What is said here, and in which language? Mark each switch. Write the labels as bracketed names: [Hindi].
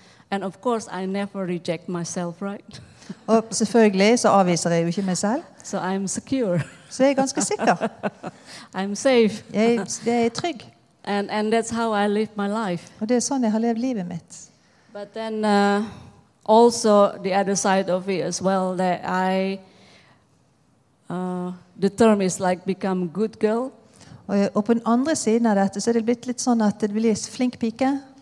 [English] And of course I never reject myself, right? [Swedish] Och självklart så avvisar jag ju inte mig själv. [English] So I'm secure. [Swedish] Så jag är ganska säker. [English] I'm safe. [Swedish] Jag är trygg. [English] And that's how I live my life. [Swedish] Och det är så jag har levt livet mitt. [English] But then also the other side of it as well that I the term is like become good girl. [Norwegian] Og på den andre siden av dette så det blitt litt sånn at det blir flink pike.